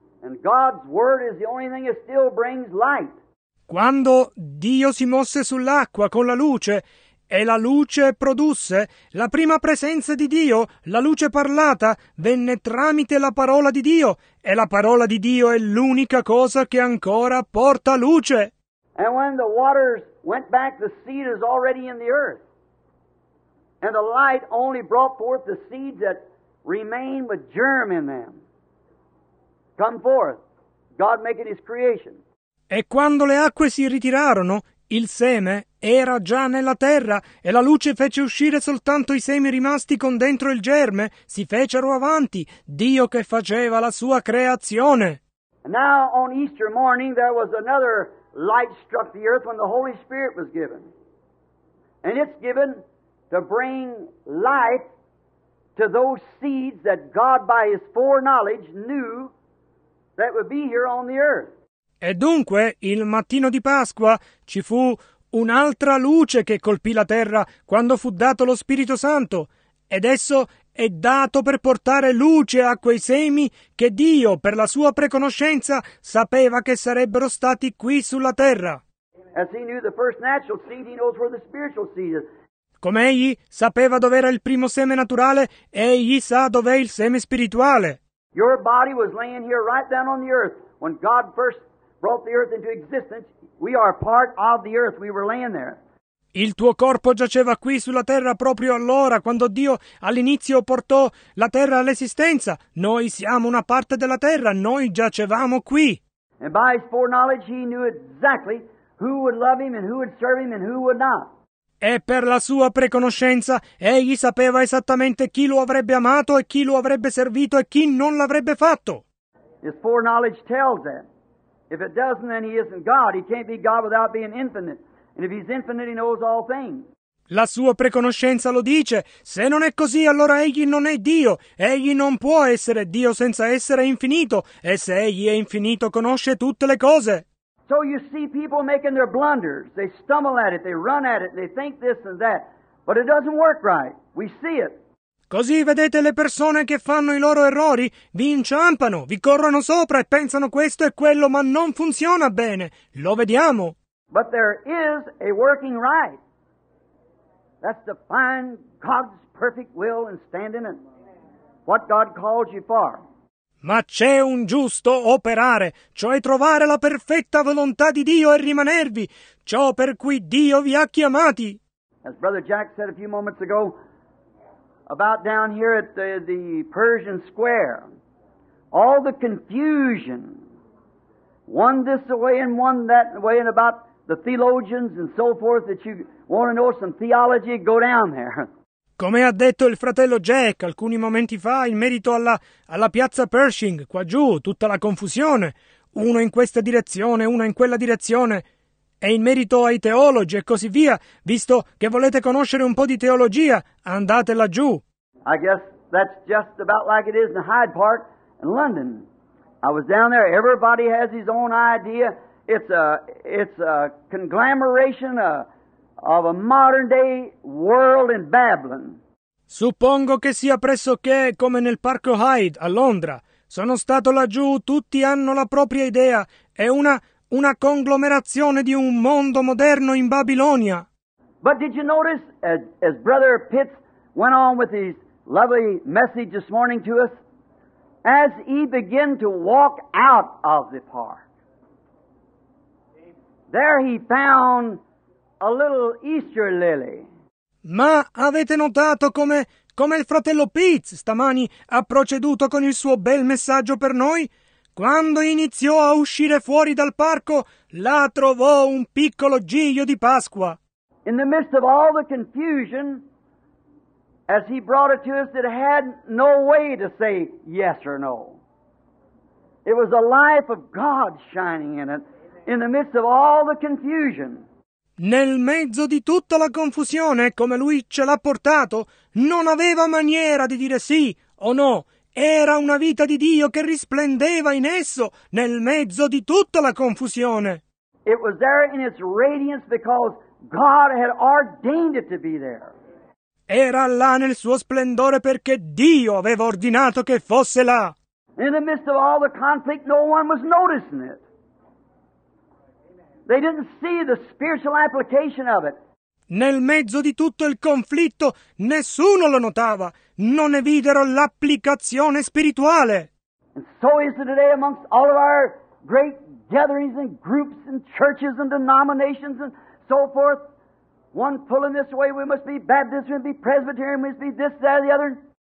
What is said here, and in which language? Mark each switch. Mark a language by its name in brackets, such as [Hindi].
[English] And God's word is the only thing that still brings light. [Italian] Quando Dio si mosse sull'acqua con la luce e la luce produsse, la prima presenza di Dio, la luce parlata, venne tramite la parola di Dio e la parola di Dio è l'unica cosa che ancora porta luce. [English] And when the waters went back, the seed is already in the earth. And the light only brought forth the seeds that remain with germ in them. Come forth, God making his creation. [Italian] E quando le acque si ritirarono, il seme era già nella terra e la luce fece uscire soltanto i semi rimasti con dentro il germe, si fecero avanti, Dio che faceva la sua creazione. [English] And now on Easter morning there was another light struck the earth when the Holy Spirit was given. And it's given to bring life to those seeds that God by his foreknowledge knew that would be here on the earth. [Italian] E dunque, il mattino di Pasqua, ci fu un'altra luce che colpì la terra quando fu dato lo Spirito Santo, ed esso è dato per portare luce a quei semi che Dio, per la sua preconoscenza, sapeva che sarebbero stati qui sulla terra. [English] As he knew the first natural seed, he knows where the spiritual seed is. [Italian] Come egli sapeva dov'era il primo seme naturale, egli sa dov'è il seme spirituale. [English] Your body was laying here right down on the earth when God first brought the earth into existence, we are part of the earth. We were laying there. [Italian] Il tuo corpo giaceva qui sulla terra proprio allora, quando Dio all'inizio portò la terra all'esistenza. Noi siamo una parte della terra, noi giacevamo qui. [English] And by his foreknowledge he knew exactly who would love him and who would serve him and who would not. [Italian] E per la sua preconoscenza egli sapeva esattamente chi lo avrebbe amato e chi lo avrebbe servito e chi non l'avrebbe fatto. [English] His foreknowledge tells that. If it doesn't, then he isn't God. He can't be God without being infinite. And if he's infinite, he knows all things. [Italian] La sua preconoscenza lo dice. Se non è così, allora egli non è Dio. Egli non può essere Dio senza essere infinito. E se egli è infinito, conosce tutte le cose. [English] So you see people making their blunders. They stumble at it, they run at it, they think this and that. But it doesn't work right. We see it. [Italian] Così vedete le persone che fanno i loro errori, vi inciampano, vi corrono sopra e pensano questo e quello, ma non funziona bene. Lo vediamo. [English] But there is a working right. That's to find God's perfect will and stand in it. What God calls you for. [Italian] Ma c'è un giusto operare, cioè trovare la perfetta volontà di Dio e rimanervi, ciò per cui Dio vi ha chiamati. [English] As Brother Jack said a few moments ago, about down here at the Persian Square, all the confusion, one this way and one that way, and about the theologians and so forth, that you want to know some theology, go down there. [Italian] Come ha detto il fratello Jack alcuni momenti fa in merito alla piazza Pershing, qua giù, tutta la confusione, uno in questa direzione, uno in quella direzione, e in merito ai teologi e così via, visto che volete conoscere un po' di teologia, andate laggiù. [English] I guess that's just about like it is in Hyde Park in London. I was down there, everybody has his own idea. It's a conglomeration of a modern day world in Babylon. [Italian] Suppongo che sia pressoché come nel parco Hyde a Londra. Sono stato laggiù, tutti hanno la propria idea. È una conglomerazione di un mondo moderno in Babilonia. [English] But did you notice as Brother Pitts went on with his lovely message this morning to us, as he began to walk out of the park, there he found a little Easter lily. [Italian] Ma avete notato come il fratello Pitts stamani ha proceduto con il suo bel messaggio per noi? Quando iniziò a uscire fuori dal parco, là trovò un piccolo giglio di Pasqua. [English] In the midst of all the confusion, as he brought it to us, it had no way to say yes or no. It was the life of God shining in it, in the midst of all the confusion. [Italian] Nel mezzo di tutta la confusione, come lui ce l'ha portato, non aveva maniera di dire sì o no. Era una vita di Dio che risplendeva in esso, nel mezzo di tutta la confusione. [English] It was there in its radiance because God had ordained it to be there. [Italian] Era là nel suo splendore perché Dio aveva ordinato che fosse là. [English] In the midst of all the conflict, no one was noticing it. They didn't see the spiritual application of it. [Italian] Nel mezzo di tutto il conflitto, nessuno lo notava. Non ne videro l'applicazione spirituale. [English] And so is it today amongst all of our great gatherings and groups and churches and denominations and so forth. One pulling this way, we must be Baptist, we must be Presbyterian, we must be this, that, the other.